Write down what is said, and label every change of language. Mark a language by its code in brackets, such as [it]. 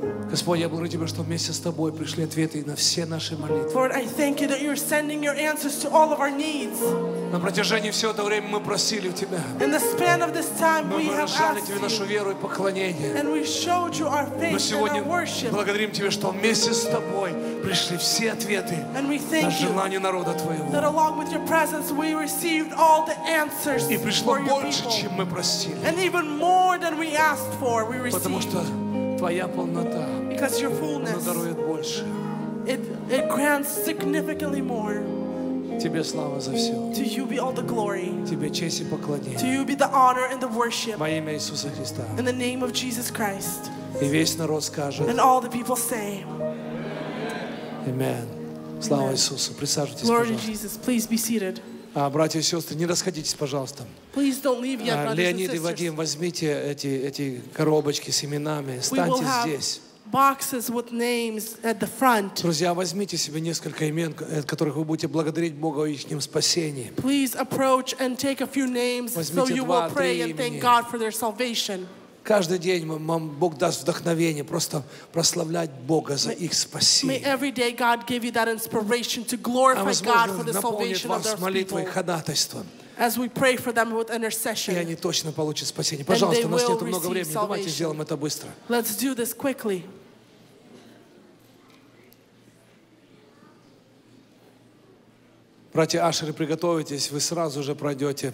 [ru] Господь, я благодарю Тебя, что вместе с Тобой пришли ответы на все наши молитвы. [en] Lord, I thank you that you're sending your answers to all of our needs. [ru] На протяжении всего этого времени мы просили у Тебя. [en] In the span of this time, we have asked you. [ru] Мы выражали Тебе нашу веру и поклонение. [en] And we showed you our faith and our worship. [ru] Но сегодня благодарим Тебя, что вместе с Тобой пришли все ответы на желание народа Твоего. [en] That along with your presence, we received all the answers for your people. [ru] И пришло больше, чем мы просили. [en] And even more than we asked for, we received. [ru] Потому что Твоя полнота, [en] because your fullness, it grants significantly more. [ru] Тебе слава за все. [en] To you be all the glory. [ru] Тебе честь и поклонение. [en] To you be the honor and the worship. [ru] Во имя Иисуса Христа. [en] In the name of Jesus Christ. [ru] И весь народ скажет. [en] And all the people say. [ru] Amen. Слава Иисусу. Присаживайтесь, [en] Lord [ru] пожалуйста. [en] Jesus, please be seated. [ru] Братья и сестры, не расходитесь, пожалуйста. [en] Please don't leave yet, brothers and sisters. [ru] Леонид и Вадим, возьмите эти коробочки с именами. Станьте здесь. [en] Boxes with names at the front. [ru] Друзья, возьмите себе несколько имен, от которых вы будете благодарить Бога о их спасении. [en] Please approach and take a few names, [ru] возьмите [en] so you will pray and thank God for their salvation. [ru] Каждый день вам Бог даст вдохновение просто прославлять Бога за их спасение. [en] May every day God give you that inspiration to glorify God for the salvation of their people. [ru] А возможно, наполнит вас молитвой и ходатайством. [en] As we pray for them with intercession. [ru] И они точно получат спасение. Пожалуйста, у нас нет много времени. Давайте сделаем это быстро. [en] Let's do this quickly. [ru] Братья Ашеры, приготовитесь, вы сразу же пройдете.